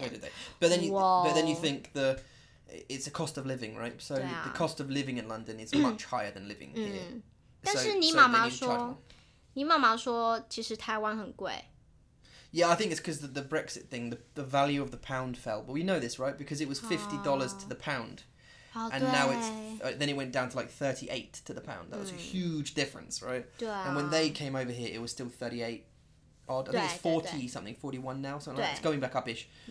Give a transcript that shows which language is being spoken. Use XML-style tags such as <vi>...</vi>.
<zh>对对对</zh> <en>，but then you think the it's a cost of living, right? So、啊、 the cost of living in London is much higher than living here.、</en> <zh>嗯、但是你妈妈说。你妈妈说，其实台湾很贵。</zh> <en>Yeah, I think it's because the Brexit thing, the value of the pound fell. But we know this, right? Because it was $50 to the pound, and now it's then it went down to like 38 to the pound. That was a huge difference, right?</en> <zh>对啊。</zh> <en>And when they came over here, it was still 38 odd. I think it's 40 something, 41 now, something like that. It's going back up-ish.</en>